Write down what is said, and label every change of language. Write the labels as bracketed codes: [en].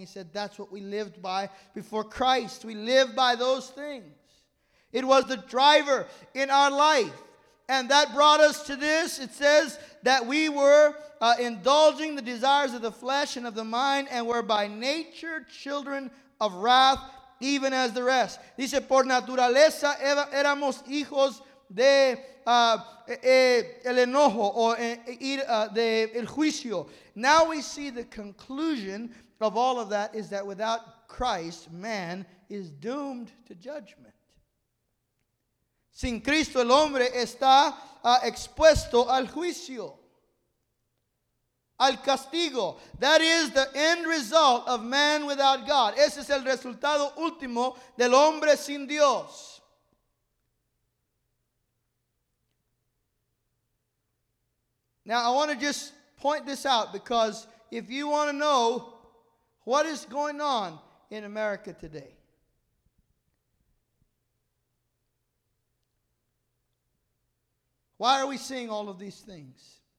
[en] He said, that's what we lived by before Christ. We live by those things. It was the driver in our life. And that brought us to this. It says that we were indulging the desires of the flesh and of the mind, and were by nature children of wrath, even as the rest. [es] Dice, por naturaleza éramos hijos de el enojo o de el juicio. [en] Now we see the conclusion of all of that is that without Christ, man is doomed to judgment. [es] Sin Cristo, el hombre está expuesto al juicio, al castigo. [en] That is the end result of man without God. [es] Ese es el resultado último del hombre sin Dios. [en] Now, I want to just point this out, because if you want to know what is going on in America today, why are we seeing all of these things?